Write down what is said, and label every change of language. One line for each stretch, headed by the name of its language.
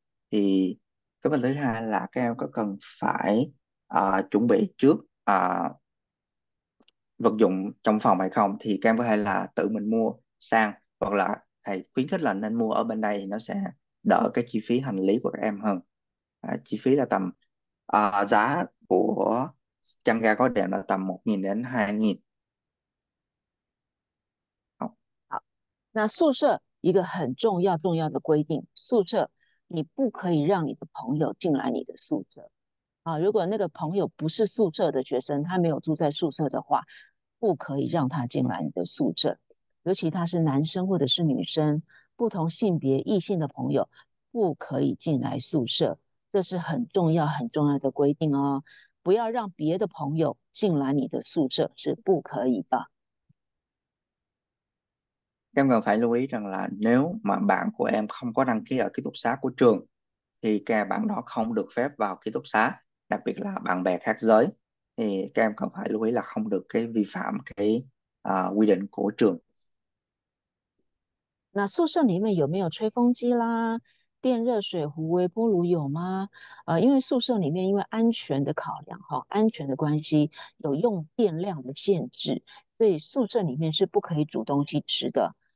Vietnamese: Thì cái vấn đề thứ hai là các em có cần phải chuẩn bị trước vật dụng trong phòng hay không, thì các em có thể là tự mình mua sang, hoặc là thầy khuyến khích là nên mua ở bên đây thì nó sẽ đỡ cái chi phí hành lý của các em hơn. Chi phí là tầm giá của chăn ga gối đệm là tầm 1.000 đến 2.000.
Chinese: 那宿舍一个很重要的规定，宿舍你不可以让你的朋友进来你的宿舍啊。如果那个朋友不是宿舍的学生，他没有住在宿舍的话，不可以让他进来你的宿舍。尤其他是男生或者是女生，不同性别异性的朋友不可以进来宿舍，这是很重要的规定哦。不要让别的朋友进来你的宿舍是不可以的。
Vietnamese: Các em cần phải lưu ý rằng là nếu mà bạn của em không có đăng ký ở ký túc xá của trường thì các bạn đó không được phép vào ký túc xá, đặc biệt là bạn bè khác giới, thì các em cần phải lưu ý là không được cái vi phạm cái quy định của trường.
Chinese: 那宿舍里面有没有吹风机啦、电热水壶、微波炉有吗？因为宿舍里面因为安全的考量哈，安全的关系有用电量的限制，所以宿舍里面是不可以煮东西吃的。